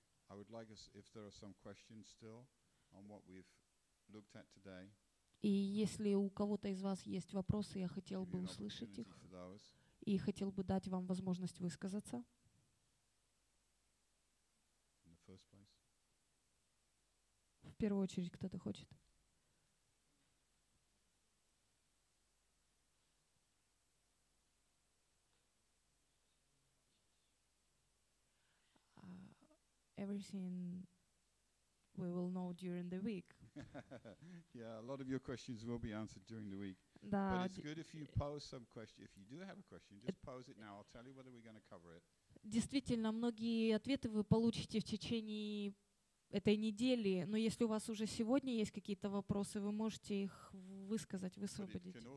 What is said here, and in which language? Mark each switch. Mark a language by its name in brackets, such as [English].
[English] I would like us if there are some questions still on what we've looked at today. [Russian] И если у кого-то из вас есть вопросы, я хотел бы услышать их. И хотел бы дать вам возможность высказаться. В первую очередь, кто-то хочет. [English] Everything we will know during the week. Yeah, a lot of your questions will be answered during the week. [Russian] Да. [English] But it's good if you pose some question. If you do have a question, just pose it now. I'll tell you whether we're going to cover it. [Russian] Действительно, многие ответы вы получите в течение этой недели, но если у вас уже сегодня есть какие-то вопросы, вы можете их высказать, высвободить.